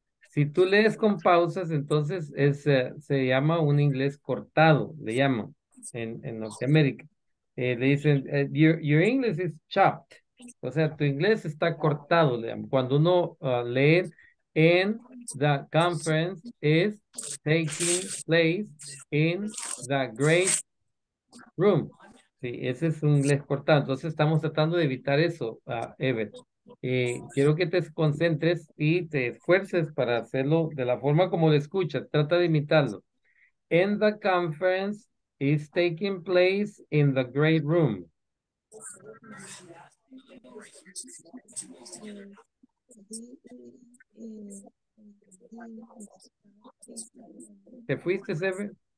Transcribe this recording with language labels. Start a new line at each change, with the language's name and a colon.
Spanish: Si tú lees con pausas, entonces se llama un inglés cortado, le llaman en Norteamérica. Le dicen,
English: your English is chopped.
Spanish: O sea, tu inglés está cortado, le llaman. Cuando uno lee,
English: and the conference is taking place in the great room.
Spanish: Sí, ese es un inglés cortado. Entonces, estamos tratando de evitar eso, Ever. Quiero que te concentres y te esfuerces para hacerlo de la forma como lo escuchas. Trata de imitarlo.
English: And the conference is taking place in the great room.
Spanish: ¿Te fuiste, Sebe?